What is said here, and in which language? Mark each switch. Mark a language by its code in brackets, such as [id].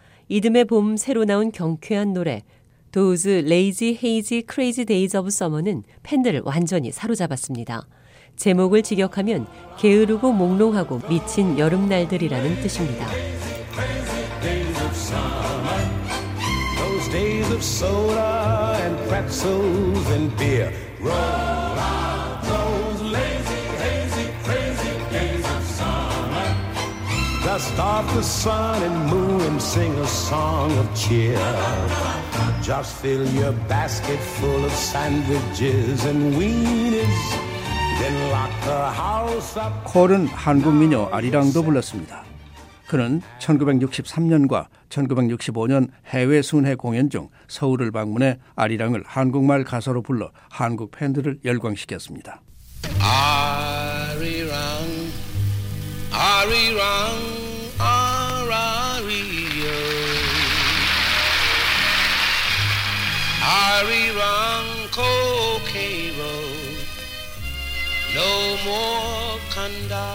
[ko] 이듬해 봄 새로 나온 경쾌한 노래 도우즈 레이지 헤이지 크레이지 데이즈 오브 서머는 팬들을 완전히 사로잡았습니다. 제목을 직역하면 게으르고 몽롱하고 미친 여름날들이라는 뜻입니다. [en] Days of soda and pretzels and beer. Roll out those lazy, hazy, crazy days of summer. Dust off the sun and moon and sing a song of cheer. Just fill your basket full of sandwiches and weenies. Then lock the house up. [ko] 콜은 한국 민요 아리랑도 불렀습니다. 그는 1963년과 1965년 해외 순회 공연 중 서울을 방문해 아리랑을 한국말 가사로 불러 한국 팬들을 열광시켰습니다. 아리랑 아리랑 아라리요 아리랑 코케이로 No more 간다